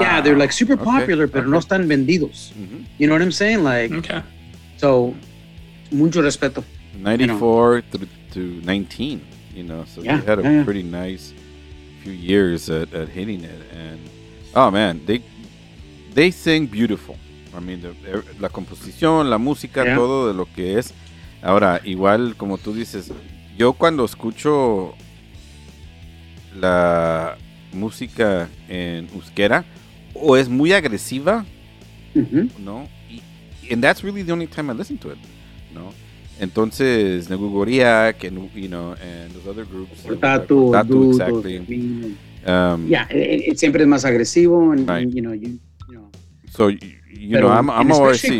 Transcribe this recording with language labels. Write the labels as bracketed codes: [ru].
[en] Yeah, they're like super popular [es] pero no están vendidos. [en] Mm-hmm. You know what I'm saying? Like, okay, [es] so mucho respeto. [en] 94 to 19. You know, so they had a pretty nice few years at hitting it, and oh man, they sing beautiful. [es] I mean, la composición, la música, todo de lo que es. Ahora, igual como tú dices, yo cuando escucho la música en euskera, es muy agresiva, ¿no? [en] And that's really the only time I listen to it, ¿no? Entonces, Neguguria, and you know, and those other groups. Portato, exactly. It's [es] siempre más agresivo, [en] and you know. So, you know, I'm especially